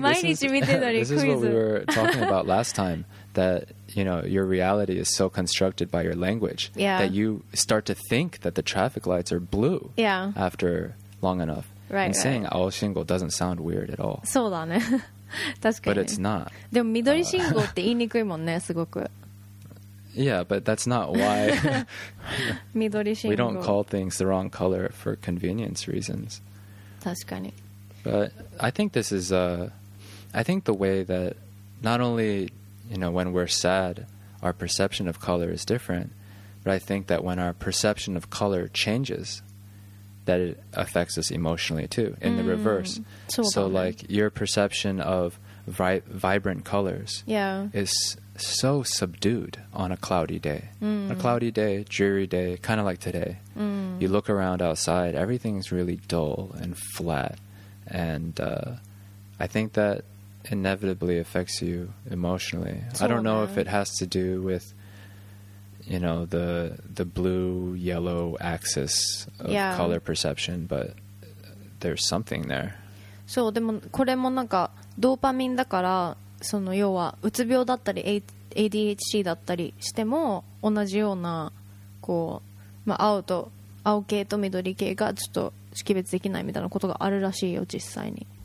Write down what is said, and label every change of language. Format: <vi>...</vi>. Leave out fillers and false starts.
<ja>毎日見てたり、クイズ。</ja> <en>This is what we were talking about last time, that... You know, your reality is so constructed by your language yeah. that you start to think that the traffic lights are blue yeah. after long enough. Right, and saying 青信号 doesn't sound weird at all.</en> <ja>そうだね。確かに。</ja> <en>But it's not.</en> <ja>でも緑信号って言いにくいもんね、すごく。</ja> <en>Yeah, but that's not why</en> <ja>緑信号</ja> <en>we don't call things the wrong color for convenience reasons.</en> <ja>確かに。</ja> <en>But I think this is... I think the way that not only... You know, when we're sad, our perception of color is different. But I think that when our perception of color changes, that it affects us emotionally too, in the reverse. So like your perception of vibrant colors yeah. is so subdued on a cloudy day. A cloudy day, dreary day, kind of like today. You look around outside, everything's really dull and flat. And I think that... inevitably affects you emotionally. I don't know if it has to do with, you know, the blue-yellow axis of yeah. color perception, but there's something there.</en> <ja>そう、でもこれもなんかドーパミンだから、その要はうつ病だったり ADHD だったりしても同じようなこう、まあ、青系と緑系がちょっと識別できないみたいなことがあるらしいよ、実際に。</ja>